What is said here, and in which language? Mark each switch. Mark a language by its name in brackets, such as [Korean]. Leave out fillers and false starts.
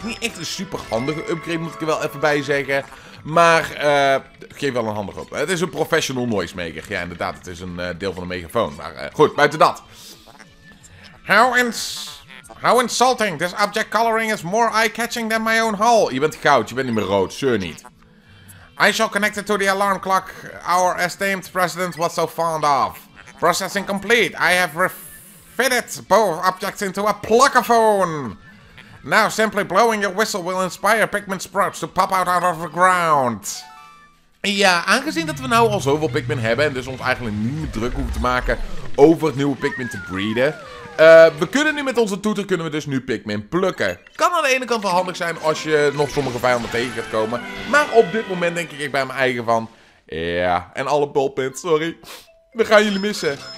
[Dutch] Niet echt een super handige upgrade, moet ik er wel even bij zeggen. Maar, geef wel een handige upgrade. Het is een professional noisemaker. Ja, inderdaad, het is een deel van een megafoon. Maar goed, buiten dat. [English] How insulting. This object coloring is more eye-catching than my own hull. [Dutch] Je bent goud, je bent niet meer rood. Zeur niet. [English] I shall connect it to the alarm clock our esteemed president was so fond of. Processing complete. I have refitted both objects into a pluckaphone. Now simply blowing your whistle will inspire Pikmin sprouts to pop out of the ground. [Dutch] Ja, aangezien dat we nou al zoveel Pikmin hebben en dus ons eigenlijk niet meer druk hoeven te maken over het nieuwe Pikmin te breeden. We kunnen nu met onze toeter kunnen we dus nu Pikmin plukken. Kan aan de ene kant wel handig zijn als je nog sommige vijanden tegen gaat komen. Maar op dit moment denk ik bij mijn eigen van... en alle bullpins, sorry. We gaan jullie missen.